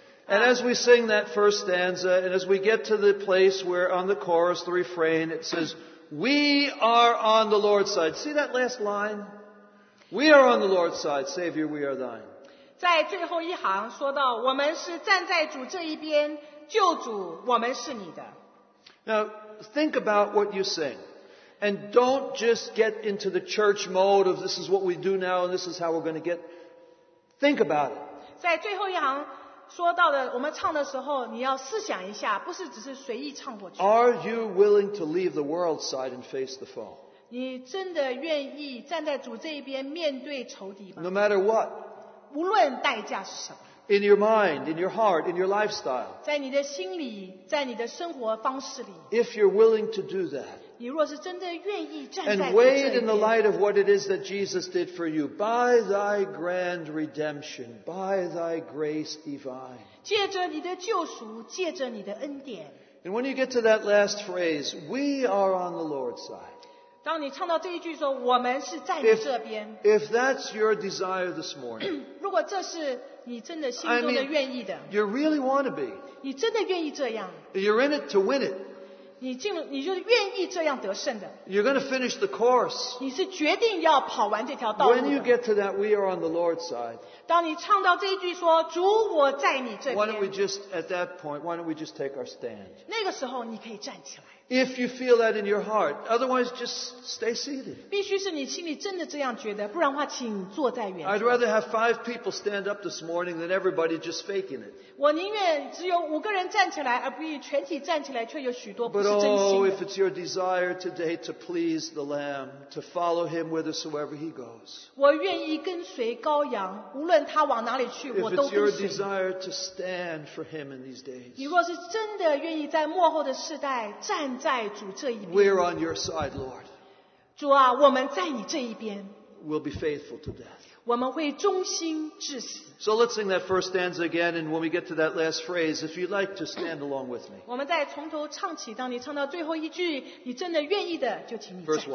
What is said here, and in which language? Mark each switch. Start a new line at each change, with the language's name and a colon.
English: And as we sing that first stanza, and as we get to the place where on the chorus, the refrain, it says, we are on the Lord's side. See that last line? We are on the Lord's side. Savior, we are thine.
Chinese: 在最后一行说到，我们是站在主这一边，救主，我们是你的。
English: Now, think about what you sing. And don't just get into the church mode of this is what we do now and this is how we're going to get. Think about it.
Chinese: 在最后一行说到的我们唱的时候你要思想一下不是只是随意唱过去。
English: Are you willing to leave the world side and face the foe?
Chinese: 你真的愿意站在主这一边面对仇敌吗
English: No matter what.
Chinese: 无论代价是什么。
English: In your mind, in your heart, in your lifestyle.
Chinese: 在你的心里在你的生活方式里。
English: If you're willing to do that,
Chinese: 你若是真的愿意站在这里
English: And wait in the light of what it is that Jesus did for you by thy grand redemption, by thy grace divine.
Chinese: 借着你的救赎，借着你的恩典。
English: And when you get to that last phrase, we are on the Lord's side.
Chinese: 当你唱到这一句说，我们是在你这边。
English: If that's your desire this morning,
Chinese: 如果这是你真的心中的愿意的
English: I mean, you really want to be.
Chinese: 你真的愿意这样。
English: You're in it to win it.
Chinese: 你就愿意这样得胜的。
English: You're going to finish the course.
Chinese: 你是决定要跑完这条道路。
English: When you get to that, we are on the Lord's side.
Chinese: 当你唱到这一句说，主我在你这边。
English: Why don't we just, at that point, why don't we just take our stand?
Chinese: 那个时候你可以站起来。
English: If you feel that in your heart, otherwise just stay seated.
Chinese: 必须是你心里真的这样觉得，不然的话请坐在原地。
English: I'd rather have five people stand up this morning than everybody just faking it.
Chinese: 我宁愿只有五个人站起来，而不愿全体站起来，却有许多不是真心的。
English: But oh, if it's your desire today to please the Lamb, to follow Him whithersoever He goes.
Chinese: 我愿意跟随羔羊，无论他往哪里去，我都跟随。
English: If it's your desire to stand for Him in these days.
Chinese: 你若是真的愿意在末后的世代站。
English: We're on your side, Lord.
Chinese: 主啊，我们在你这一边。
English: We'll be faithful to death.
Chinese: 我们会忠心至死。
English: So let's sing that first stanza again, and when we get to that last phrase, if you'd like to stand along with me.
Chinese: 我们再从头唱起。当你唱到最后一句，你真的愿意的，就请你站起来。